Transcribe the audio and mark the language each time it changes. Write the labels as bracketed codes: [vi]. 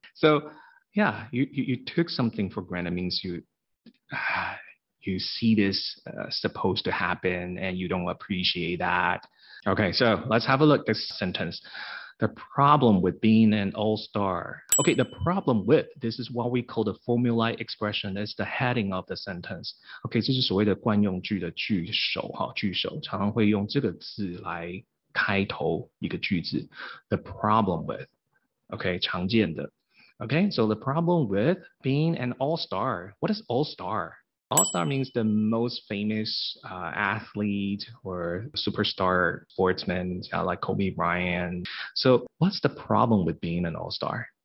[en] So yeah, you took something for granted means you see this supposed to happen and you don't appreciate that. Okay, so let's have a look at this sentence. The problem with being an all-star. Okay, the problem with, this is what we call the formulae expression, is the heading of the sentence. [zh] Okay, 这是所谓的惯用句的句首，常常会用这个字来开头一个句子。 [en] The problem with, okay, [zh] 常见的。 [en] Okay, so the problem with being an all-star. What is all-star? All-star means the most famous athlete or superstar sportsman, like Kobe Bryant. So what's the problem with being an all-star?